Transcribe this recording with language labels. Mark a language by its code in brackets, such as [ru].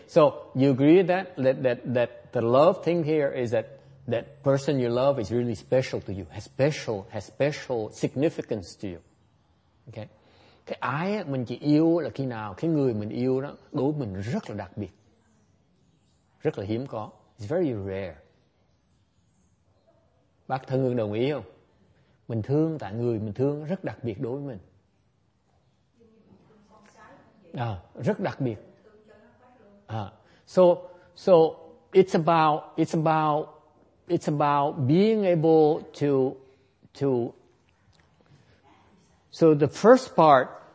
[en] So you agree that the love thing here is that person you love is really special to you, has special significance to you. Okay. [vi] Cái ái mình chỉ yêu là khi nào cái người mình yêu đó đối mình rất là đặc biệt. Rất là hiếm có. [en] It's very rare. [vi] Bác thân hương đồng ý không? Mình thương tại người mình thương rất đặc biệt đối với mình. À, rất đặc biệt. [en] À, so it's about being able to so the first part